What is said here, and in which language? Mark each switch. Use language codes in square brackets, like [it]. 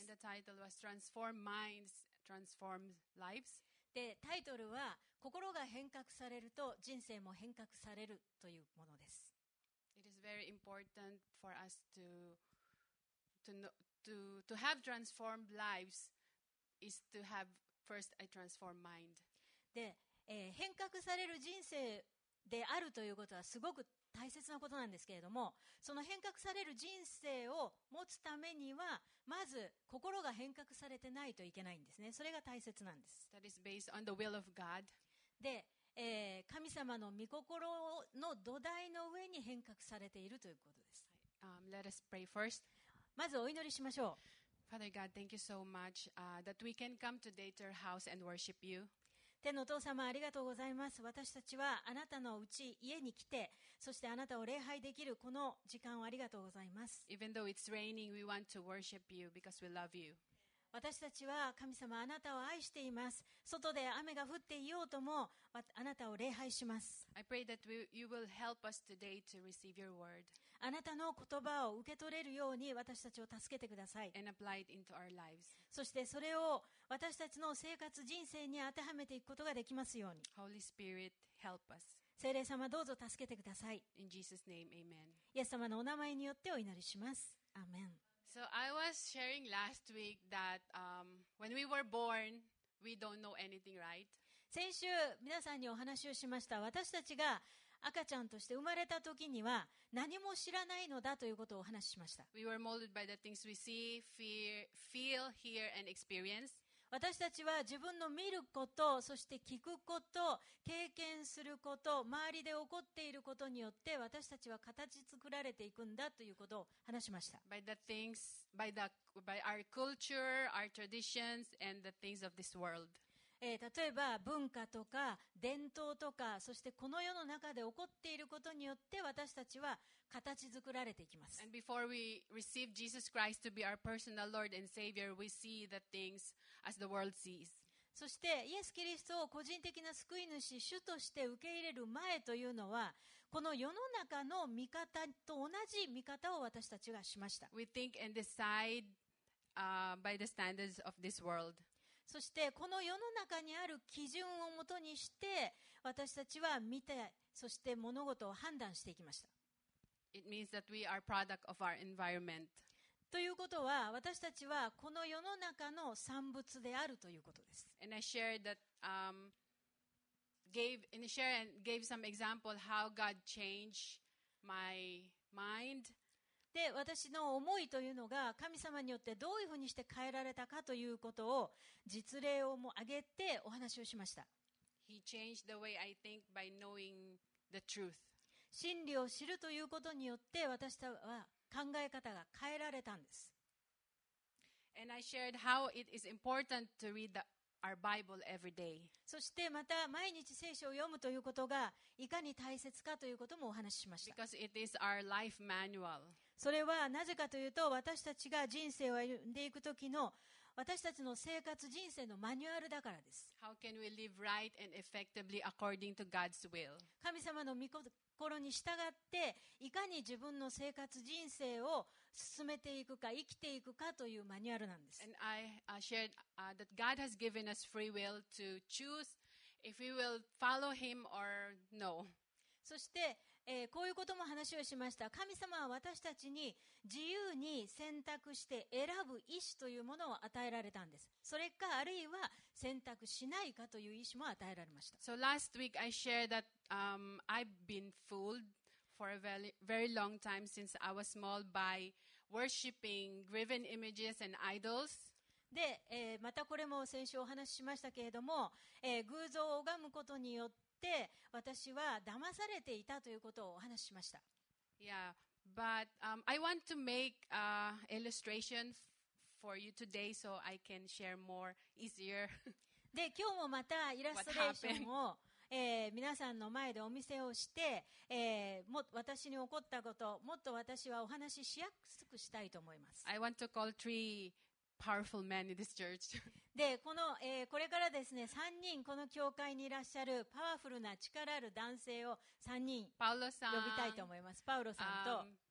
[en] And the title was Transform Minds, Transform Lives. [ja] で、タイトルは心が変革されると人生も変革されるというものです。 [en] It is very important for us to have transformed lives is to have first a transformed mind. [ja] で、変革される人生であるということはすごく大切なことなんですけれども、その変革される人生を持つためにはまず心が変革されてないといけないんですね。それが大切なんです。 [en] That is based on the will of God. [ja] で、神様の御心の土台の上に変革されているということです。 [en] Let us pray first. [ja] まずお祈りしましょう。 [en] Father God, thank you so much, that we can come today to your house and worship you. [ja] 天のお父様、ありがとうございます。私たちはあなたのうち、家に来て、そしてあなたを礼拝できるこの時間をありがとうございます。 [en] Even though it's raining, we want to worship you because we love you. [ja] 私たちは神様、あなたを愛しています。外で雨が降っていようとも、あなたを礼拝します。 [en] I pray that you will help us today to receive your word. [ja] あなたの言葉を受け取れるように私たちを助けてください。 [en] And apply it into our lives. [ja] そしてそれを私たちの生活、人生に当てはめていくことができますように。 [en] Holy Spirit, help us. [ja] 聖霊様、どうぞ助けてください。 [en] In Jesus' name, amen. [ja] イエス様のお名前によってお祈りします。アーメン。 [en] So I was sharing last week that when we were born, we don't know anything, right? [ja] 先週皆さんにお話をしました。私たちが赤ちゃんとして生まれた時には何も知らないのだということをお話ししました。 [en] We were molded by the things we see, feel, hear, and experience. [ja] 私たちは自分の見ること、そして聞くこと、経験すること、周りで起こっていることによって私たちは形作られていくんだということを話しました。 [en] By the things, by our culture, our traditions, and the things of this world. [ja] 例えば文化とか伝統とか、そしてこの世の中で起こっていることによって私たちは形作られていきます。 [en] And before we receive Jesus Christ to be our personal Lord and Savior, we see the things as the world sees. [ja] そしてイエス・キリストを個人的な救い主、主として受け入れる前というのは、この世の中の見方と同じ見方を私たちがしました。 [en] We think and decide, by the standards of this world. [ja] そしてこの世の中にある基準をもとにして私たちは見て、そして物事を判断していきました。 [en] It means that we are product of our environment. [ja] ということは私たちはこの世の中の産物であるということです。 [en] And I shared that, gave some example how God changed my mind. [ja] で、私の思いというのが神様によってどういうふうにして変えられたかということを実例をも挙げてお話をしました。 [en] He changed the way I think by knowing the truth. [ja] 真理を知るということによって私たちは考え方が変えられたんです。 [en] And I shared how it is important to read our Bible every day. [ja] そしてまた毎日聖書を読むということがいかに大切かということもお話ししました。 [en] Because it is our life manual. [ja] それはなぜかというと、私たちが人生を歩んでいくときの私たちの生活、人生のマニュアルだからです。 [en] How can we live right and effectively according to God's will? [ja] 神様の御心に従って、いかに自分の生活、人生を進めていくか、生きていくかというマニュアルなんです。 [en] And I shared that God has given us free will to choose if we will follow Him or no. [ja] そして、こういうことも話をしました。神様は私たちに自由に選択して選ぶ意思というものを与えられたんです。それかあるいは選択しないかという意思も与えられました。 [en] So last week I shared that I've been fooled for a very, very long time since I was small by worshipping graven images and idols. [ja] で、またこれも先週お話ししましたけれども、偶像を拝むことによってで私は騙されていたということをお話ししました。 [en] Yeah, but I want to make a illustration for you today so I can share more easier. [ja] で今日もまたイラストレーションを、皆さんの前でお見せをして、も私に起こったこともっと私はお話ししやすくしたいと思います。 [en] I want to call three powerful men in this church. [ja] で、この、これからですね、3人この教会にいらっしゃるパワフルな力ある男性を3人呼びたいと思います。パウロさんと、